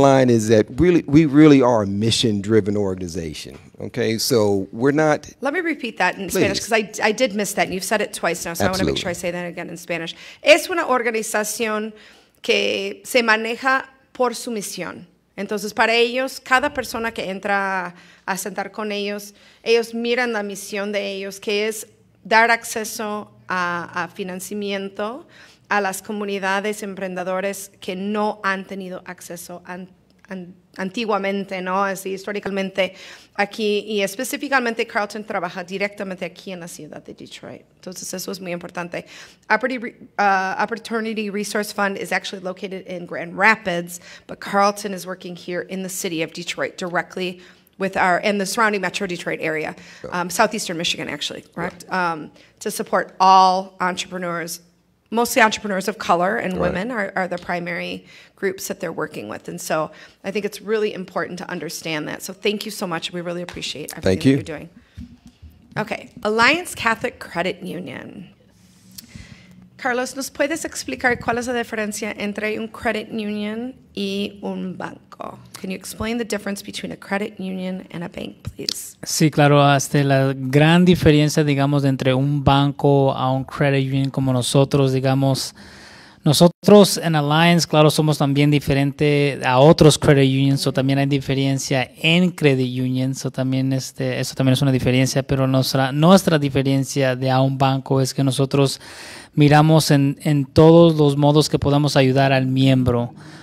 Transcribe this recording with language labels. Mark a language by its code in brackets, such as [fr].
[en] Line is that really we really are a mission-driven organization. Okay, so we're not. Let me repeat that in please. Spanish because I did miss that, and you've said it twice now, so absolutely. I want to make sure I say that again in Spanish. [es] Es una organización que se maneja por su misión. Entonces, para ellos, cada persona que entra a sentar con ellos, ellos miran la misión de ellos, que es dar acceso a financiamiento a las comunidades emprendedores que no han tenido acceso antiguamente, ¿no? Así, históricamente aquí, y específicamente Carlton trabaja directamente aquí en la ciudad de Detroit. Entonces, eso es muy importante. [en] Opportunity Resource Fund is actually located in Grand Rapids, but Carlton is working here in the city of Detroit directly with our, in the surrounding Metro Detroit area, southeastern Michigan, actually, correct? Right. To support all entrepreneurs, mostly entrepreneurs of color and women are the primary groups that they're working with. And so I think it's really important to understand that. So thank you so much. We really appreciate everything you. That you're doing. Okay. Alliance Catholic Credit Union. [es] Carlos, ¿nos puedes explicar cuál es la diferencia entre un credit union y un banco? [en] Can you explain the difference between a credit union and a bank, please? [es] Sí, claro. Hasta la gran diferencia, digamos, entre un banco a un credit union como nosotros, digamos. Nosotros en Alliance, claro, somos también diferente a otros credit unions, o también hay diferencia en credit unions, o también eso también es una diferencia, pero nuestra diferencia de a un banco es que nosotros miramos en todos los modos que podamos ayudar al miembro.